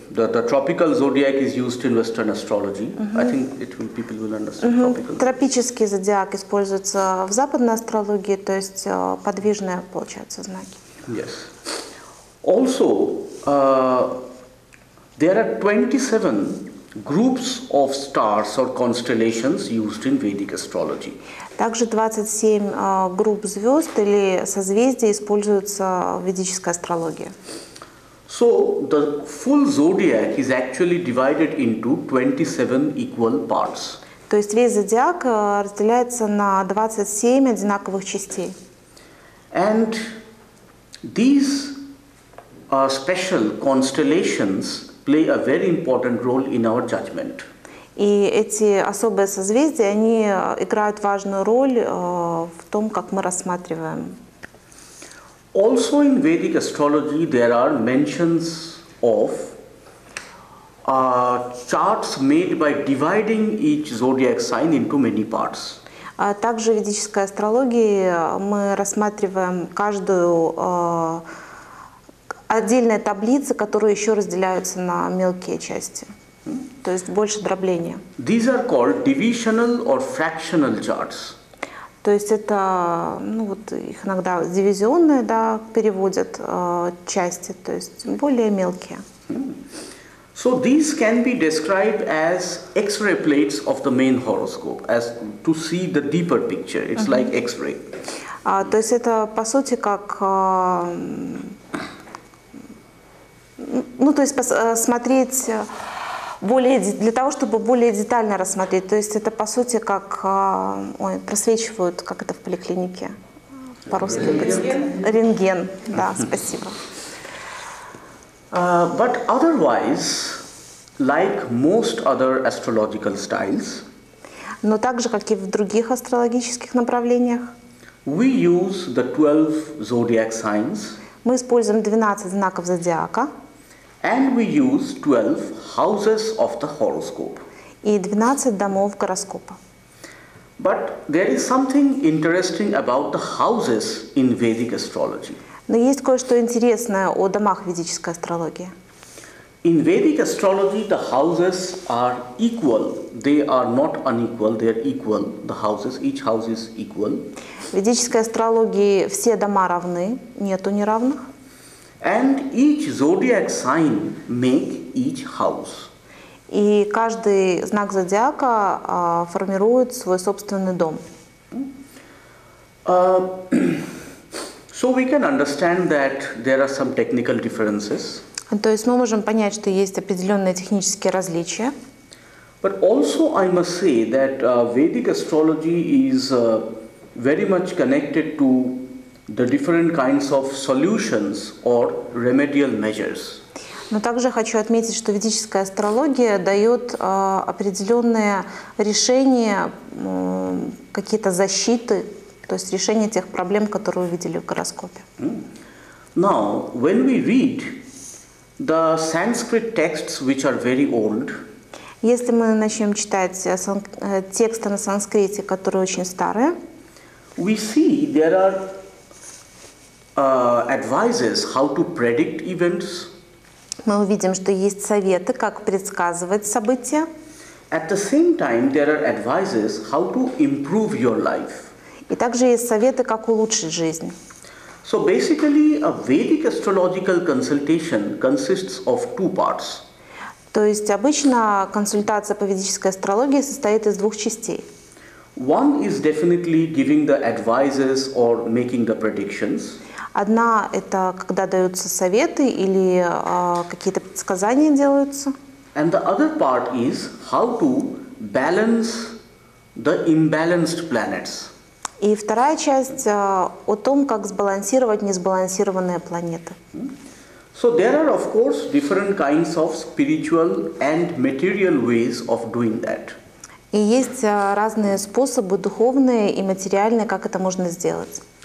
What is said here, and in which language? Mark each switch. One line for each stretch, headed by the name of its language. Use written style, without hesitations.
English: The tropical zodiac is used in Western astrology. Mm-hmm. I think people will understand tropical.
Russian: Тропический зодиак используется в западной астрологии, то есть подвижные получаются знаки.
English: Yes. Also, there are 27 groups of stars or constellations used in Vedic astrology.
Russian: Также 27 групп звезд или созвездий используются в ведической астрологии.
English: So the full zodiac is actually divided into 27 equal parts.
Russian: То есть весь зодиак разделяется на 27 одинаковых частей.
English: And these special constellations play a very important role in our judgment.
Russian: И эти особые созвездия, они играют важную роль в том, как мы рассматриваем.
English: Also in Vedic astrology there are mentions of charts made by dividing each zodiac sign into many parts.
Russian: Также в ведической астрологии мы рассматриваем каждую отдельные таблицы, которые еще разделяются на мелкие части. То есть больше дробления.
English: These are called divisional or fractional charts.
Russian: То есть это, ну вот их иногда дивизионные, да, переводят части, то есть более мелкие.
English: So these can be described as X-ray plates of the main horoscope, as to see the deeper picture. It's like X-ray.
Russian: То есть это по сути как, смотреть более для того, чтобы более детально рассмотреть. То есть это по сути как просвечивают, как это в поликлинике по-русски рентген. Да, спасибо.
English: But otherwise, like most other astrological styles,
Russian: но также, как и в других астрологических направлениях,
English: we use the 12 zodiac signs.
Russian: Мы используем 12 знаков зодиака.
English: And we use 12 houses of the horoscope.
Russian: И 12 домов гороскопа.
English: But there is something interesting about the houses in Vedic astrology.
Russian: Но есть кое-что интересное о домах ведической астрологии.
English: In Vedic astrology, the houses are equal. They are not unequal. They are equal. The houses, each house is equal.
Russian: В ведической астрологии все дома равны, нету неравных.
English: And each zodiac sign make each house.
Russian: И каждый знак зодиака формирует свой собственный дом.
English: So we can understand that there are some technical differences.
Russian: То есть мы можем понять, что есть определенные технические различия.
English: But also I must say that Vedic astrology is very much connected to the different kinds of solutions or remedial measures.
Russian: Но также хочу отметить, что ведическая астрология дает определенные решения, какие-то защиты, то есть решение тех проблем, которые увидели в гороскопе.
English: Now, when we read the Sanskrit texts, which are very old,
Russian: если мы начнем читать тексты на санскрите, которые очень старые,
English: we see there are advises how to predict events.
Russian: Мы увидим, что есть советы, как предсказывать события.
English: At the same time, there are advises how to improve your life.
Russian: И также есть советы, как улучшить жизнь.
English: So basically, a Vedic astrological consultation consists of two parts.
Russian: То есть обычно консультация по ведической астрологии состоит из двух частей.
English: One is definitely giving the advices or making the predictions.
Russian: Одна – это когда даются советы или какие-то предсказания делаются.
English: And the other part is how to balance the imbalanced planets.
Russian: И вторая часть о том, как сбалансировать несбалансированные планеты.
English: So there are, of course, different kinds of spiritual and material ways of doing that.
Russian: И есть разные способы, духовные и материальные, как это можно сделать.